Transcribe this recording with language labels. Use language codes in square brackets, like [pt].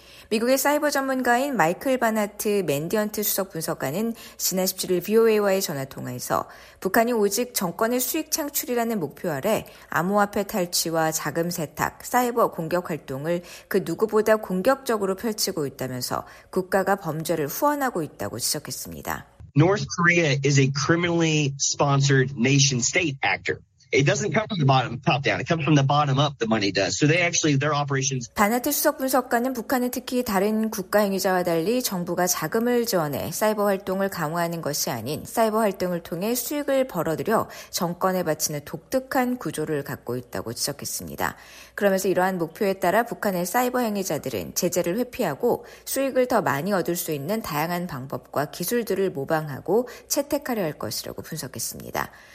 [ko] 미국의 사이버 전문가인 마이클 바나트 맨디언트 수석 분석가는 지난 17일 VOA와의 전화통화에서 북한이 오직 정권의 수익 창출이라는 목표 아래 암호화폐 탈취와 자금 세탁, 사이버 공격 활동을 그 누구보다 공격적으로 펼치고 있다면서 국가가 범죄를 후원하고 있다고 지적했습니다. [en] North Korea is a criminally sponsored nation state actor. It doesn't come from the bottom top down. It comes from the bottom up, the money does. So they actually, their operations. [ko] 바나트 수석 분석가는 북한은 특히 다른 국가 행위자와 달리 정부가 자금을 지원해 사이버 활동을 강화하는 것이 아닌 사이버 활동을 통해 수익을 벌어들여 정권에 바치는 독특한 구조를 갖고 있다고 지적했습니다. 그러면서 이러한 목표에 따라 북한의 사이버 행위자들은 제재를 회피하고 수익을 더 많이 얻을 수 있는 다양한 방법과 기술들을 모방하고 채택하려 할 것이라고 분석했습니다.